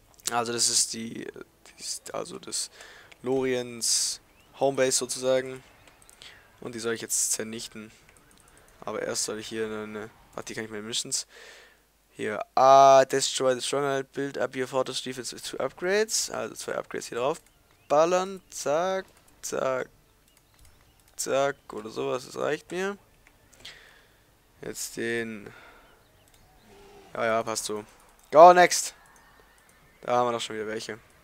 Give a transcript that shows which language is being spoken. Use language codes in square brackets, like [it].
[de] Also das ist die, also das Loriens Homebase sozusagen. Und die soll ich jetzt zernichten. Aber erst soll ich hier eine, warte, die kann ich mir Missions. [en] Hier, destroy the stronghold, build up your fortress defense with 2 upgrades. [de] Also 2 upgrades hier drauf. Ballern, zack, zack, zack oder sowas, das reicht mir. Jetzt den, ja, ja, passt so. [en] Go, next! [de] Da haben wir doch schon wieder welche.